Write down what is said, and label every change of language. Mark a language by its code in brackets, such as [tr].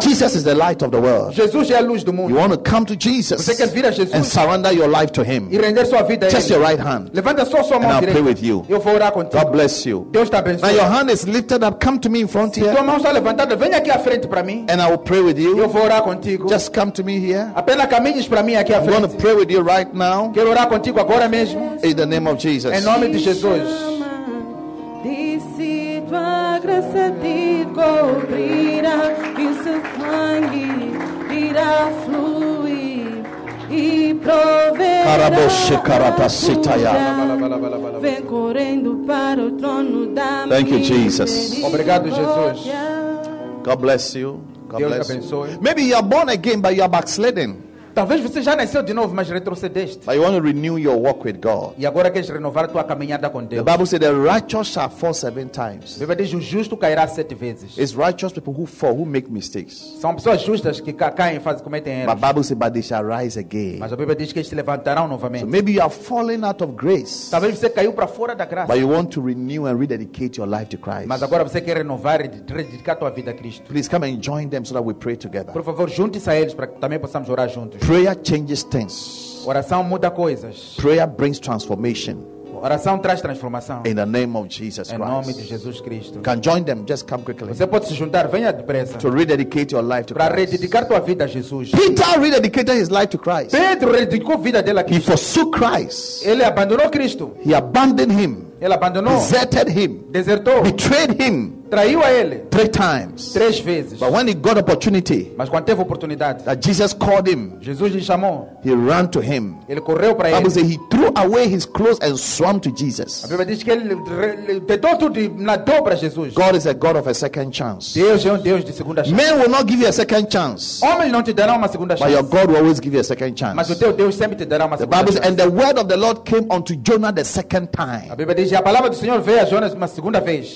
[en] Jesus is the light of the world. [pt] Jesus é a luz do mundo. [en] You want to come to Jesus. [pt] Você quer vir a Jesus. [en] And surrender your life to Him. [pt] E render sua vida a Ele. [en] Just your right hand. [pt] Levanta só sua mão [en] and [pt] direita. [en] And I pray with you. [pt] Eu vou orar contigo. [en] God bless you. [pt] Deus te abençoe. [en] Now your hand is lifted up, come to me in front here. [pt] Se tua mão está levantada, venha aqui à frente para mim. [en] And I will pray with you. [pt] Eu vou orar contigo. [en] Just come to me here. [pt] Apenas caminhes para mim aqui à frente. [en] I'm going to pray with you right now. [pt] Quero orar contigo agora mesmo. [en] In the name of Jesus. [pt] Em nome de Jesus. Disse tua graça te cobrirá e seu sangue irá fluir e proverá a tua cura. Vem correndo para o trono da minha. [en] Thank you, Jesus. [pt] Obrigado, Jesus. [en] God bless you. God [pt] Deus [en] bless [pt] abençoe. [en] You. Maybe you are born again, but you are backsliding. [pt] Talvez você já nasceu de novo, mas retrocedeste. [en] But you want to renew your walk with God. [pt] E agora queres renovar tua caminhada com Deus. [en] The Bible says the righteous shall fall 7 times. [pt] A Bíblia diz o justo cairá 7 vezes. [en] It's righteous people who fall, who make mistakes. [pt] São pessoas justas que caem, fazem, cometem erros. [en] But the Bible says they shall rise again. [pt] Mas a Bíblia diz que eles se levantarão novamente. [en] So maybe you are falling out of grace. [pt] Talvez você caiu para fora da graça. [en] But you want to renew and rededicate your life to Christ. [pt] Mas agora você quer renovar e rededicar tua vida a Cristo. [en] Please come and join them so that we pray together. [pt] Por favor, junte-se a eles para que também possamos orar juntos. [en] Prayer changes things. [pt] Oração muda coisas. [en] Prayer brings transformation. [pt] Oração traz transformação. [en] In the name of Jesus Christ. [pt] Em nome de Jesus Cristo. [en] You can join them. Just come quickly. [pt] Você pode se juntar. Venha depressa. [en] To rededicate your life to Christ. [pt] Para rededicar tua vida a Jesus. [en] Peter rededicated his life to Christ. [pt] Pedro rededicou vida dele a Cristo. [en] He forsook Christ. [pt] Ele abandonou Cristo. [en] He abandoned him. [pt] Ele abandonou. [en] Deserted him. [pt] Desertou. [en] Betrayed him. [pt] Traiu a ele. [en] 3 times. [pt] 3 vezes. [en] But when he got opportunity. [pt] Mas quando teve oportunidade. [en] That Jesus called him. [pt] Jesus lhe chamou. [en] He ran to him. [pt] Ele correu para ele. [en] The Bible says he threw away his clothes and swam to Jesus. [pt] A Bíblia diz que ele deitou tudo e nadou para Jesus. [en] God is a God of a second chance. [pt] Deus é Deus de segunda chance. [en] Men will not give you a second chance. [pt] Homens não te darão uma segunda chance. [en] But your God will always give you a second chance. [pt] Mas o teu Deus sempre te dará uma segunda chance. [en] And the word of the Lord came unto Jonah the second time. [pt] A Bíblia diz que a palavra do Senhor veio a Jonas uma segunda vez.